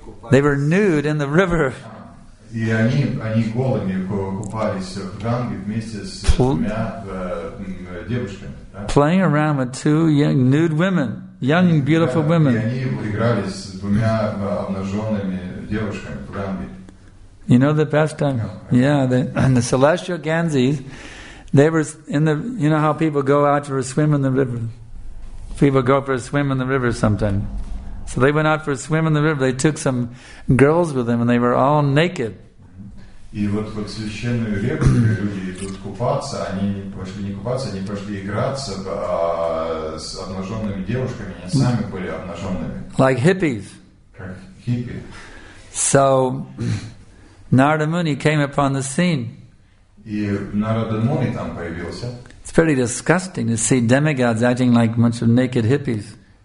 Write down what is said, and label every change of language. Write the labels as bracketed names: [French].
[English] They were nude in the river. [Russian] И они голыми купались в Ганге вместе с двумя девушками. Да? [English] Playing around with two young nude women, young and beautiful women. [Russian] И они играли с двумя обнаженными девушками в Ганге. [English] You know the pastime? No. Yeah, the celestial Ganges. They were in the. You know how people go out for a swim in the river. People go for a swim in the river sometime. So they went out for a swim in the river. They took some girls with them, and they were all naked. [Russian] И вот в священную реку люди идут купаться. Они пошли не купаться, они пошли играться с обнаженными девушками. Они сами были обнаженными. [English] Like hippies. [Russian] Как хиппи. [English] So Narada Muni came upon the scene. [Russian] И Narada Muni там появился. [English] It's fairly disgusting to see demigods acting like a bunch of naked hippies.